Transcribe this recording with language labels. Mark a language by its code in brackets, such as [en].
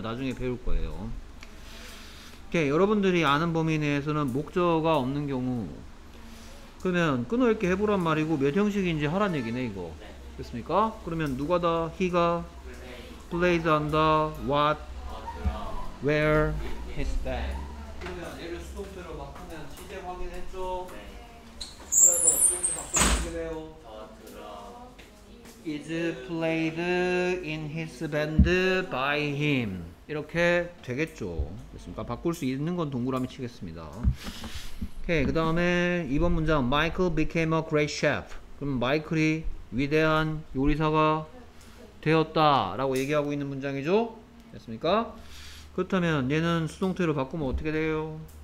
[ko] 나중에 배울 거예요. 오케이. 여러분들이 아는 범위 내에서는 목적어가 없는 경우 그러면 끊어읽기 해보란 말이고 몇 형식인지 하란 얘기네 이거. 네. 됐습니까? 그러면 누가 다? He가 [en] plays on the what? Where? His band. [ko] 그러면 얘를 수동태로 바꾸면 시제 확인했죠? 네. 그래서 수동태 바꾸면 어떻게 돼요? [en] The drum is played in his band by him. [ko] 이렇게 되겠죠. 됐습니까? 바꿀 수 있는 건 동그라미 치겠습니다. 오케이. 그 다음에 2번 문장 마이클 [en] became a great chef. [ko] 그럼 마이클이 위대한 요리사가 되었다 라고 얘기하고 있는 문장이죠? 됐습니까? 그렇다면 얘는 수동태로 바꾸면 어떻게 돼요?